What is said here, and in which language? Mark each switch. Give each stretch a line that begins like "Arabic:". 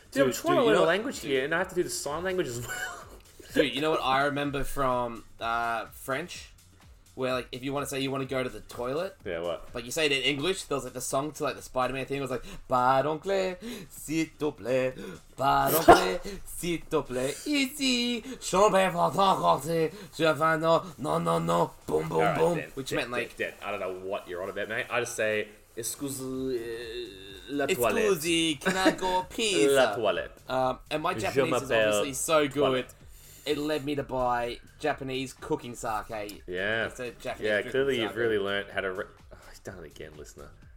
English: Dude, I'm trying to learn a language here, and I have to do the sign language as well. Dude, you know what I remember from French? where, like, if you want to say you want to go to the toilet. Yeah, what? But you say it in English. There was, like, the song to, like, the Spider-Man thing. It was like, pardon, Claire, s'il te plaît.
French: Pardon, Claire, s'il te plaît. Ici, je ne vais pas rentrer. Je vais faire non, non, non, non.
English: Boom, boom, right, boom. Then. Which dead, meant, like... Dead, dead. I don't know what you're on about, mate. I just say, excuse la toilette. Excuse, can I go pee?
French: La toilette.
English: And my Japanese is obviously so good. Toilet. It led me to buy Japanese cooking sake. Yeah. Yeah, clearly sake. You've really learned how to... Oh, I've done it again, listener.